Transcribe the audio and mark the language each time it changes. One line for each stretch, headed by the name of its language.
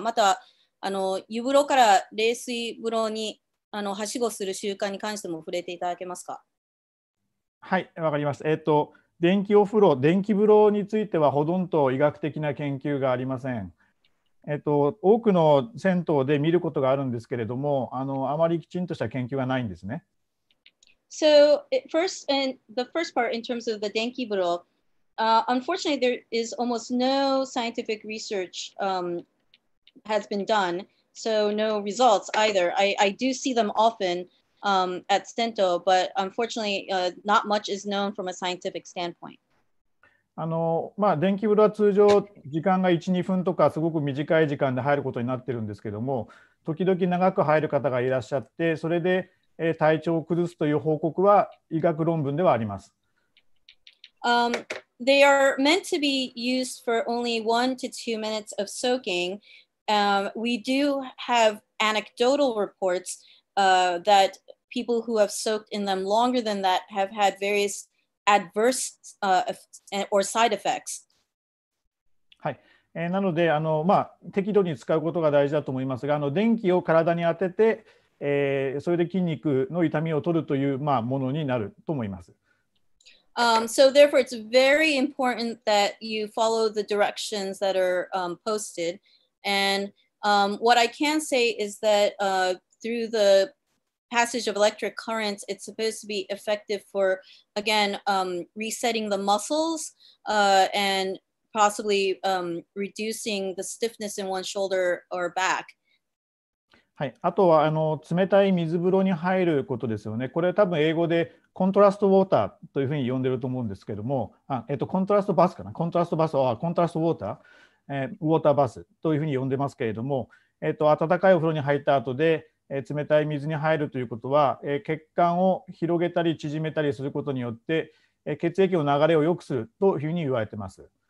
Japanese: また、あの、湯風呂から冷水風呂にあのはしごする習慣に関しても触れていただけますか？はい、わかります。電気お風呂、電気風呂についてはほとんど医学的な研究がありません。多くの銭湯で見ることがあるんですけれども、あまりきちんとした研究はないんですね。
English: So, first, and the first part in terms of the 電気風呂, unfortunately, there is almost no scientific research has been done. So no results either. I do see them often at Sento, but unfortunately, not much is known from a scientific standpoint.
Japanese: まあ、電気風呂は通常時間が 1、2 分とかすごく短い時間で入ることになってるんですけども、時々長く入る方がいらっしゃって、それで体調を崩すという報告は医学論文ではあります。
English: They are meant to be used for only 1 to 2 minutes of soaking. We do have anecdotal reports that people who have soaked in them longer than that have had various adverse or side effects.
Japanese: はい。なので、適度に使うことが大事だと思いますが、電気を体に当てて、それで筋肉の痛みを取るという、ものになると思います。
English: So therefore, it's very important that you follow the directions that are posted. And what I can say is that through the passage of electric currents, it's supposed to be effective for, again, resetting the muscles and possibly reducing the stiffness in one shoulder or back.
Japanese: はい、あとは冷たい水風呂に入ることですよね。これは多分英語でコントラストウォーターというふうに呼んでると思うんですけども、コントラストバスかな、コントラストウォーター、ウォーターバスというふうに呼んでますけれども、温かいお風呂に入った後で、冷たい水に入るということは、血管を広げたり縮めたりすることによって、血液の流れを良くするというふうに言われてます。